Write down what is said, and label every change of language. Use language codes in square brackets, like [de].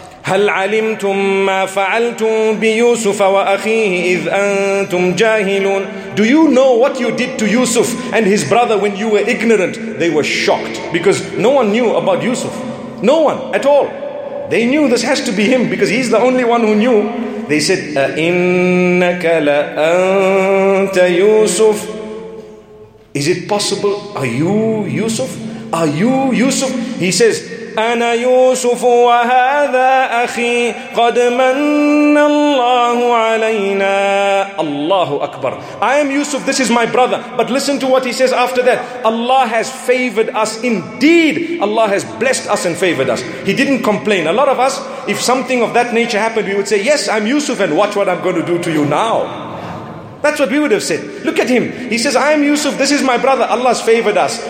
[ar] هل علمتم ما فعلتم بيوسف وأخيه إذ أنتم جاهلون. [en] Do you know what you did to Yusuf and his brother when you were ignorant? They were shocked because no one knew about Yusuf. No one at all. They knew this has to be him because he's the only one who knew. They said, [ar] أَإِنَّكَ لَأَنْتَ يُوسُف. [en] Is it possible? Are you Yusuf? Are you Yusuf? He says, [ar] أنا يوسف وهذا أخي قد من الله علينا. [en] Allahu Akbar. I am Yusuf, this is my brother. But listen to what he says after that. Allah has favored us. Indeed, Allah has blessed us and favored us. He didn't complain. A lot of us, if something of that nature happened, we would say, yes, I'm Yusuf and watch what I'm going to do to you now. That's what we would have said. Look at him. He says, I am Yusuf. This is my brother. Allah has favored us.